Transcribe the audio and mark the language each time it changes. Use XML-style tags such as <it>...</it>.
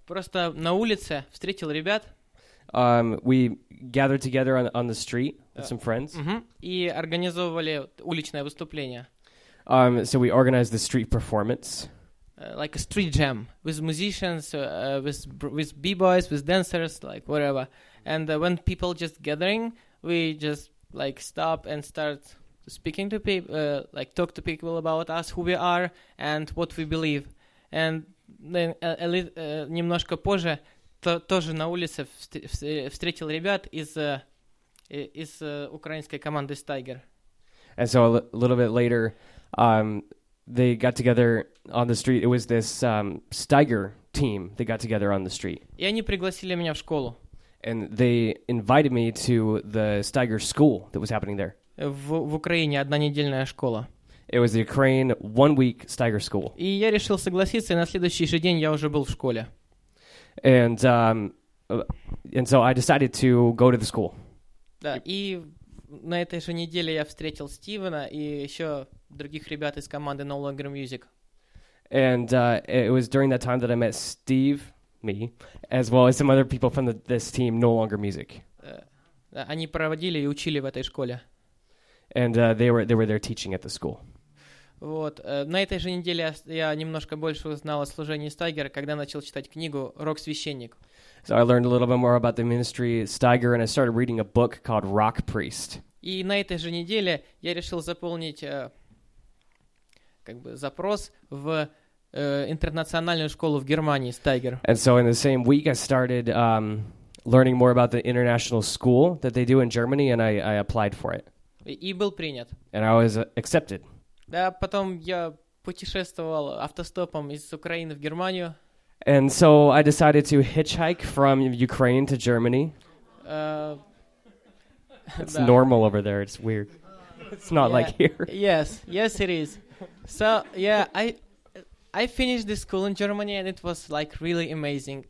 <ru>Просто на улице встретил ребят.</ru> <en>We gathered together on the street with some friends.</en> <ru>И организовывали уличное выступление.</ru> <en>So we organized the street performance. Like a street jam with musicians, with b-boys, with dancers, like whatever. And when people just gathering, we just like stop and start speaking to people, like talk to people about us, who we are, and what we believe. And then</en> <ru>немножко позже тоже на улице встретил ребят из украинской команды Stiger.</ru> <en>And so a little bit later, they got together on the street. It was this Stiger team that got together on the street.</en> <ru>И они пригласили меня в школу.</ru> <en>And they invited me to the Stiger school that was happening there.</en> <ru>В Украине одна недельная школа.</ru> <en>It was the Ukraine 1 week Stiger school.</en> <ru>И я решил согласиться, и на следующий же день я уже был в школе.</ru> <en>And so I decided to go to the school.</en> <ru>Да, и на этой же неделе я встретил Стивена и еще других ребят из команды No Longer Music.</ru> <en>And it was during that time that I met Steve, me, as well as some other people from this team, No Longer Music.</en> <ru>Они проводили и учили в этой школе.</ru> <en>And they were there teaching at the school.</en> <ru>Вот. На этой же неделе я немножко больше узнал о служении Стайгера, когда начал читать книгу «Рок-священник».</ru> <en>So I learned a little bit more about the ministry Stiger, and I started reading a book called Rock Priest.</en> <ru>И на этой же неделе я решил заполнить запрос в интернациональную школу в Германии Stiger.</ru> <en>And so in the same week I started learning more about the international school that they do in Germany, and I applied for it.</en> <ru>И был принят.</ru> <en>And I was accepted.</en> <ru>Да, потом я путешествовал автостопом из Украины в Германию.</ru> <en>And so I decided to hitchhike from Ukraine to Germany. It's normal over there. It's weird. It's not like here. Yes. Yes, it is. So, yeah, I finished this school in Germany, and it was, like, really amazing.</en>